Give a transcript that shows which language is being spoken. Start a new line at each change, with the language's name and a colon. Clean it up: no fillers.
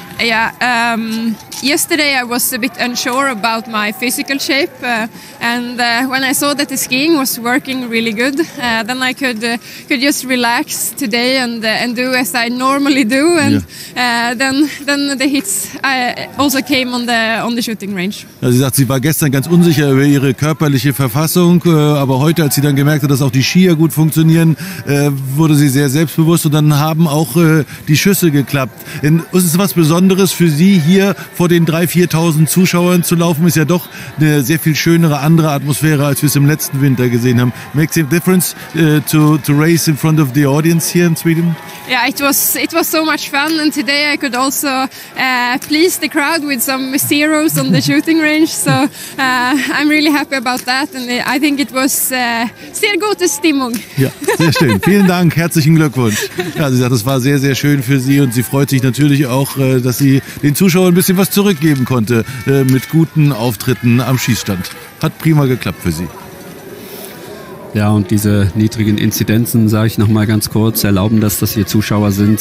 English: Yeah, yesterday I was a bit unsure about my physical shape when I saw that the skiing was working really good, then I could just relax today and do as I normally do, and yeah. then the hits also came on the shooting range.
German: Also sie sagt, sie war gestern ganz unsicher über ihre körperliche Verfassung, aber heute, als sie dann gemerkt hat, dass auch die Skier gut funktionieren, wurde sie sehr selbstbewusst und dann haben auch die Schüsse geklappt. Ist es was Besonderes für Sie, hier vor den 3.000, 4.000 Zuschauern zu laufen, ist ja doch eine sehr viel schönere, andere Atmosphäre, als wir es im letzten Winter gesehen haben.
English: Makes a difference to race in front of the audience here in Sweden? Yeah, it was so much fun, and today I could also please the crowd with some zeros on the shooting range, so I'm really happy about that, and I think it was
German: sehr gute Stimmung. Ja, sehr schön. Vielen Dank, herzlichen Glückwunsch. Ja, sie sagt, es war sehr, sehr schön für Sie und sie freut sich natürlich auch, dass sie den Zuschauern ein bisschen was zurückgeben konnte mit guten Auftritten am Schießstand. Hat prima geklappt für sie. Ja, und diese niedrigen Inzidenzen, sage ich nochmal ganz kurz, erlauben das, dass hier Zuschauer sind.